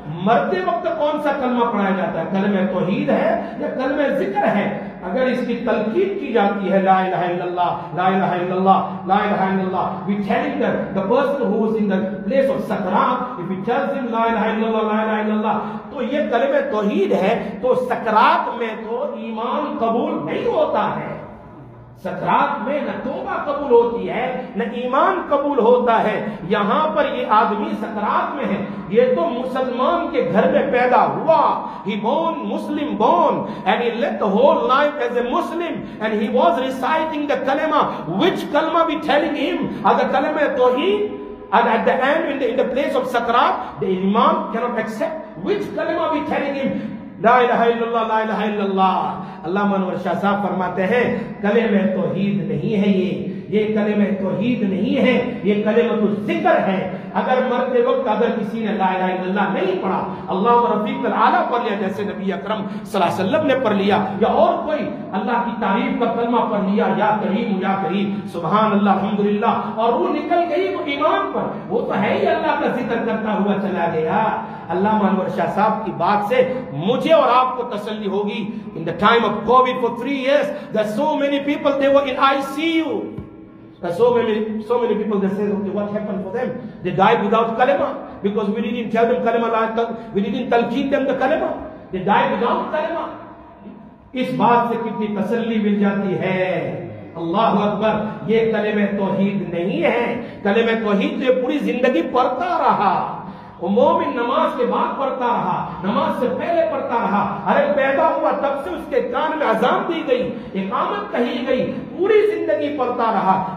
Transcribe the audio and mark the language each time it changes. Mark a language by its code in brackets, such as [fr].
[ur] مرتے وقت کون سا کلمہ پڑھایا جاتا ہے, کلمہ توحید ہے یا کلمہ ذکر ہے؟ اگر اس کی تلقین کی جاتی ہے لا الہ الا اللہ لا الہ الا اللہ لا الہ الا اللہ, [en] we telling that the person who is in the place of [ur] سکرات, [en] if he tells him [ur] لا الہ الا اللہ لا الہ الا اللہ, تو یہ کلمہ توحید ہے. تو سکرات میں تو ایمان قبول نہیں ہوتا ہے, سکرات میں نہ توبہ قبول ہوتی ہے نہ ایمان قبول ہوتا ہے. یہاں پر یہ آدمی سکرات میں ہے, یہ تو مسلمان کے گھر میں پیدا ہوا. [en] He born Muslim born and he lived the whole life as a Muslim and he was reciting the kalima. Which kalima we telling him? As a kalima tohin? And at the end in the place of sakrat, the imam cannot accept. Which kalima we telling him? [ar] لا الہ الا اللہ [ur] لا الہ الا اللہ. اللہ منور شاہ صاحب فرماتے ہیں کلمہ توحید نہیں ہے, یہ کلمہ توحید نہیں ہے, یہ کلمہ تو ذکر ہے. اگر مرتے وقت اگر کسی نے لا الہ الا اللہ نہیں پڑھا, اللہ رفیق العالی پڑھ لیا جیسے نبی اکرم صلی اللہ علیہ وسلم نے پڑھ لیا, یا اور کوئی اللہ کی تعریف کا کلمہ پڑھ لیا, یا کریم یا کریم سبحان اللہ الحمدللہ, اور روح نکل گئی تو ایمان پر, وہ تو ہے ہی اللہ کا ذکر کرتا ہوا چلا گیا. اللہ منور شاہ صاحب کی بات سے مجھے اور آپ کو تسلی ہوگی. [en] In the time of COVID for 3 years, there so many people they were in ICU. So many people they said, okay, what happened for them? They died without kalima because we didn't tell them kalima, we didn't talqeed them the kalima. They died without kalima. [ur] اس بات سے کتنی تسلی مل جاتی ہے. اللہ اکبر, یہ کلمہ توحید نہیں ہے. کلمہ توحید یہ پوری زندگی پڑھتا رہا, وہ مومن نماز کے بعد پڑھتا رہا, نماز سے پہلے پڑھتا رہا. ارے پیدا ہوا تب سے اس کے کان میں اذان دی گئی, اقامت کہی گئی, پوری زندگی پڑھتا رہا.